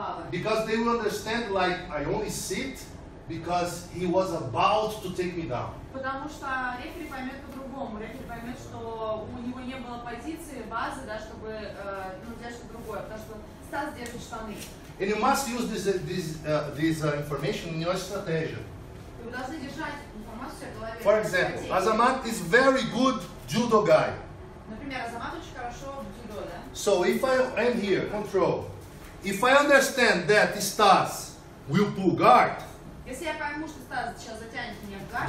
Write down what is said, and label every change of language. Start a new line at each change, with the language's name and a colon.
English: Because they will understand, like, I only sit because he was about to take me down.
Russian: Потому что рефери поймет по-другому. Рефери поймет, что у него не было позиции, базы, да, чтобы держать другое. Потому что Стас держит штаны.
English: And you must use this information in your strategy.
Russian: Вы должны держать информацию в голове.
English: For example, Azamat is very good judo guy.
Russian: Например, Азамат очень хорошо в дзюдо, да?
English: So if I am here, control. If I understand that Стас will pull guard.
Russian: Если я пойму, что Стас сейчас затянет меня в гард.